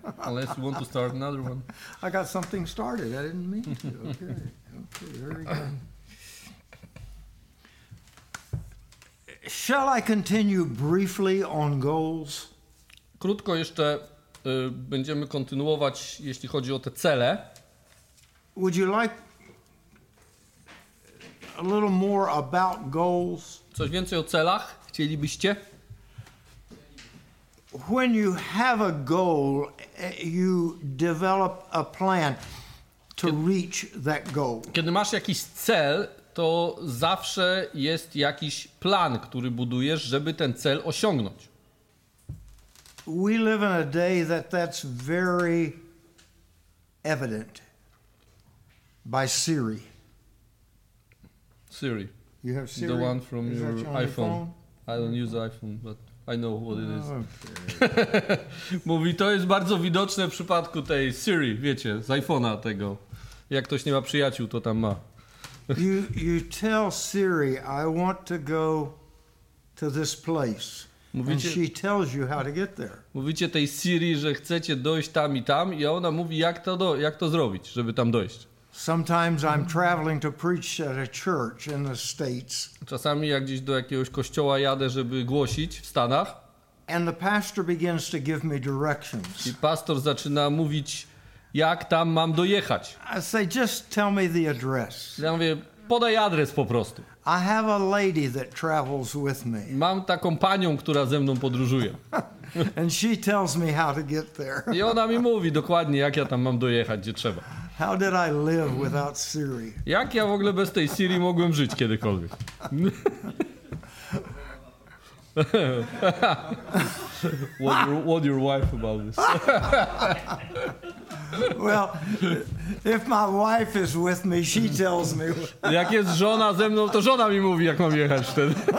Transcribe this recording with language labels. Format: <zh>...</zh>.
<en>Unless you want to start another one. I got something started. I didn't mean to. Okay. There we go. Shall I continue briefly on goals?</en> <pl>Krótko jeszcze będziemy kontynuować, jeśli chodzi o te cele.</pl> <en>Would you like a little more about goals?</en> <pl>Coś więcej o celach chcielibyście?</pl> <en>When you have a goal, you develop a plan to reach that goal.</en> <pl>Kiedy masz jakiś cel, to zawsze jest jakiś plan, który budujesz, żeby ten cel osiągnąć.</pl> <en>We live in a day that's very evident by Siri. Siri. You have Siri? The one from your iPhone. I don't use iPhone, but I know what it is. Okay.</en> <pl>Mówi, to jest bardzo widoczne w przypadku tej Siri, wiecie, z iPhone'a tego. Jak ktoś nie ma przyjaciół, to tam ma.</pl> <en>you tell Siri, I want to go to this place.</en> <pl>Mówicie,</pl> <en>and she tells you how to get there.</en> <pl>Mówicie tej Siri, że chcecie dojść tam i tam, i ona mówi, jak to zrobić, żeby tam dojść.</pl> <en>Sometimes I'm traveling to preach at a church in the States.</en> <pl>Czasami jak gdzieś do jakiegoś kościoła jadę, żeby głosić w Stanach.</pl> <en>And the pastor begins to give me directions.</en> <pl>I pastor zaczyna mówić, jak tam mam dojechać.</pl> <en>I say, just tell me the address.</en> <pl>Ja mówię, podaj adres po prostu.</pl> <en>I have a lady that travels with me.</en> <pl>Mam taką panią, która ze mną podróżuje.</pl> <en>And she tells me how to get there.</en> <pl>I ona mi mówi dokładnie, jak ja tam mam dojechać, gdzie trzeba.</pl> <en>How did I live without Siri?</en> <pl>Jak ja w ogóle bez tej Siri mogłem żyć kiedykolwiek?</pl> <en>What your wife about this? Well, if my wife is with me, she tells me.</en> <pl>Jak jest żona ze mną, to żona mi mówi, jak mam jechać wtedy.</pl>